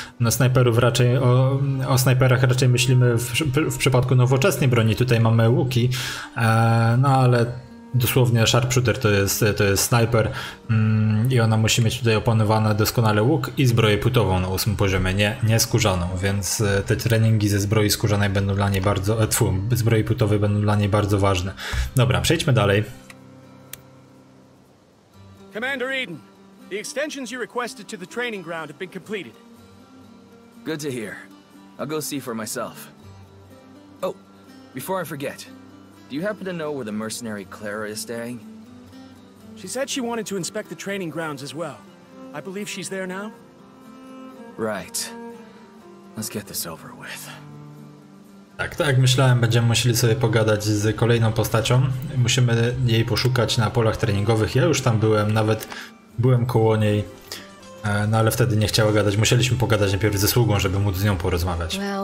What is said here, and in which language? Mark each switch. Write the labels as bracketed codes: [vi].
[pl] No, snajperów raczej, o snajperach raczej myślimy w przypadku nowoczesnej broni, tutaj mamy łuki, no ale dosłownie sharpshooter to jest snajper i ona musi mieć tutaj opanowane doskonale łuk i zbroję płytową na 8 poziomie, nie skórzaną, więc te treningi ze zbroi skórzanej będą dla niej bardzo, zbroi płytowej będą dla niej bardzo ważne. Dobra, przejdźmy dalej. [en] Commander Eden. The extensions you requested to the training ground have been completed. Good to hear. I'll go see for myself. Oh, before I forget, do you happen to know where the mercenary Clara is staying? She said she wanted to inspect the training grounds as well. I believe she's there now? Right. Let's get this over with. [pl] Tak, myślałem, będziemy musieli sobie pogadać z kolejną postacią. Musimy jej poszukać na polach treningowych. Ja już tam byłem, nawet byłem koło niej, no ale wtedy nie chciała gadać. Musieliśmy pogadać najpierw ze sługą, żeby móc z nią porozmawiać.